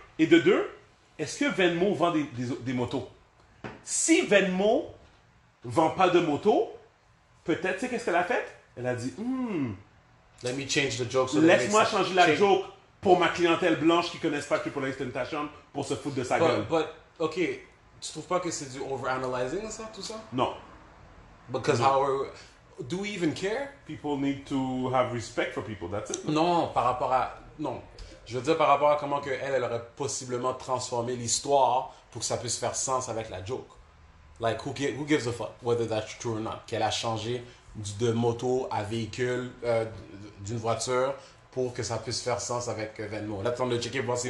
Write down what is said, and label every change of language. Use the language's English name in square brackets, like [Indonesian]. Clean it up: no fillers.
[French] Et de deux, est-ce que Venmo vend des motos? Si Venmo vend pas de motos, peut-être, tu sais, qu'est-ce qu'elle a fait? Elle a dit, [English] let me change the joke. [French] Laisse-moi changer la joke pour ma clientèle blanche qui ne connaisse pas Triple H Temptation pour se foutre de sa gueule. But, OK, tu trouves pas que c'est du overanalyzing, ça, tout ça? Non. [English] Because how are we, do we even care? People need to have respect for people, that's it. [French] Non, je veux dire par rapport à comment que elle aurait possiblement transformé l'histoire pour que ça puisse faire sens avec la joke. [English] Like, who gives a fuck whether that's true or not? [French] Qu'elle a changé de moto à véhicule, d'une voiture, pour que ça puisse faire sens avec Venmo. Là, tu vas me checker pour voir si